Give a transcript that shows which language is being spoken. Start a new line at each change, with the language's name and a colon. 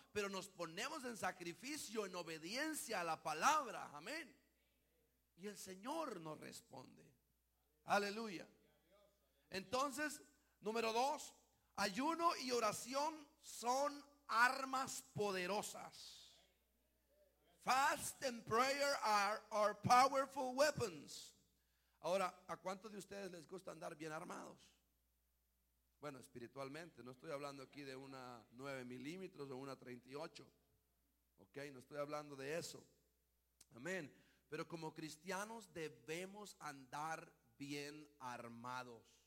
Spanish: Pero nos ponemos en sacrificio, en obediencia a la palabra. Amén. Y el Señor nos responde. Aleluya. Entonces, número 2, ayuno y oración son armas poderosas.
English: Fast and prayer are powerful weapons.
Spanish: Ahora, ¿a cuántos de ustedes les gusta andar bien armados? Bueno, espiritualmente, no estoy hablando aquí de una 9 milímetros o una 38. Ok, no estoy hablando de eso. Amén. Pero como cristianos debemos andar bien armados.